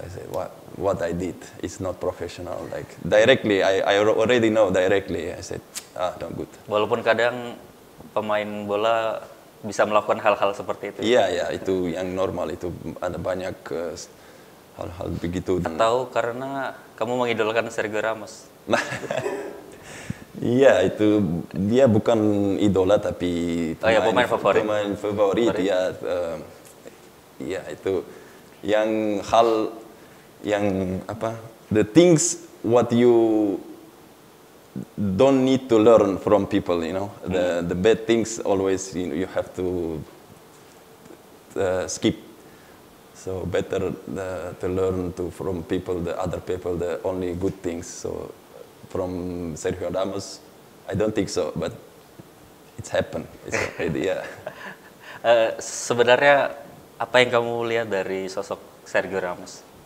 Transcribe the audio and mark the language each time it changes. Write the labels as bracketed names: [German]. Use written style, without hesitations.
[English] I said what I did is not professional, like directly I already know directly. I said not good. [Indonesian] Walaupun kadang pemain bola bisa melakukan hal-hal seperti itu. Iya, itu yang normal, itu ada banyak hal-hal begitu. Atau karena kamu mengidolakan Sergio Ramos. Iya, itu dia bukan idola tapi pemain favorit. Ya, ya itu yang hal yang [English] the things what you don't need to learn from people, you know, the bad things always you have to skip. So better to learn from people, the other people, the only good things. So from Sergio Ramos, I don't think so, but it's happened. It's already, yeah. [Indonesian] Sebenarnya apa yang kamu lihat dari sosok Sergio Ramos?